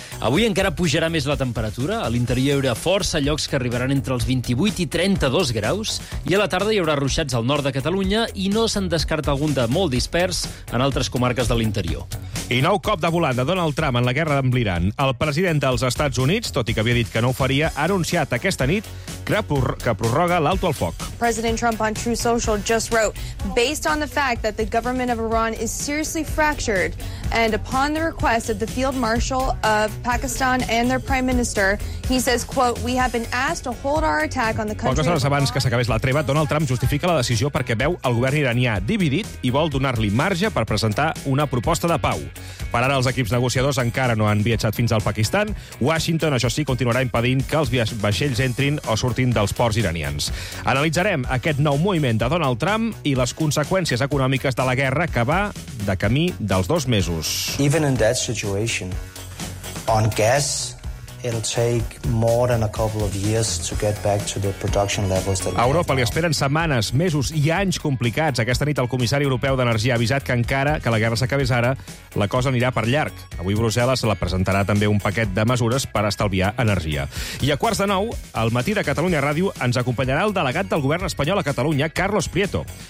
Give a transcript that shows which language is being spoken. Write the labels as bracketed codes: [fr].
[ca] Avui encara pujarà més la temperatura. A l'interior hi haurà força llocs que arribaran entre els 28 i 32 graus. I a la tarda hi haurà ruixats al nord de Catalunya i no se'n descarta algun de molt dispers en altres comarques de l'interior. I nou cop de volant de Donald Trump en la guerra amb l'Iran. El president dels Estats Units, tot i que havia dit que no ho faria, ha anunciat aquesta nit que prorroga l'alto el foc. [en] President Trump on True Social just wrote, based on the fact that the government of Iran is seriously fractured and upon the request of the field marshal of Pakistan and their prime minister, he says, quote, we have been asked to hold our attack on the country... [ca] Poques hores abans que s'acabés la treva, Donald Trump justifica la decisió perquè veu el govern iranià dividit i vol donar-li marge per presentar una proposta de pau. Per ara, els equips negociadors encara no han viatjat fins al Pakistan. Washington, això sí, continuarà impedint que els vaixells entrin o surtin dels ports iranians. Analitzarem aquest nou moviment de Donald Trump i les conseqüències econòmiques de la guerra que va de camí dels dos mesos. [en] Even in that situation, on gas, it'll take more than a couple of years to get back to the production levels that... [ca] A Europa li esperen setmanes, mesos i anys complicats. Aquesta nit el comissari europeu d'energia ha avisat que encara que la guerra s'acabés ara, la cosa anirà per llarg. Avui Brussel·les la presentarà també un paquet de mesures per estalviar energia. I a quarts de nou, al matí de Catalunya Ràdio, ens acompanyarà el delegat del govern espanyol a Catalunya, Carlos Prieto.